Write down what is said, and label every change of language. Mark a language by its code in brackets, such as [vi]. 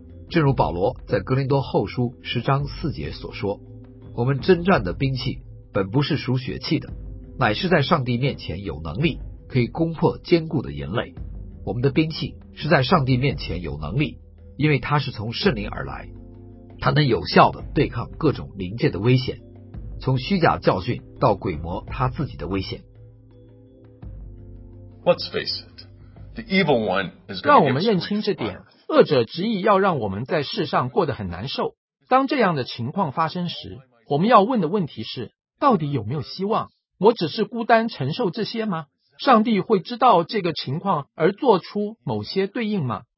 [zh] 正如保罗在哥林多后书十章四节所说，我们征战的兵器本不是属血气的，乃是在上帝面前有能力，可以攻破坚固的岩垒。我们的兵器是在上帝面前有能力，因为它是从圣灵而来，它能有效地对抗各种灵界的危险，从虚假教训到鬼魔他自己的危险。 [en] Let's face it, the evil one is going to. [zh] 让我们认清这点，恶者执意要让我们在世上过得很难受。当这样的情况发生时，我们要问的问题是：到底有没有希望？我只是孤单承受这些吗？上帝会知道这个情况而做出某些对应吗？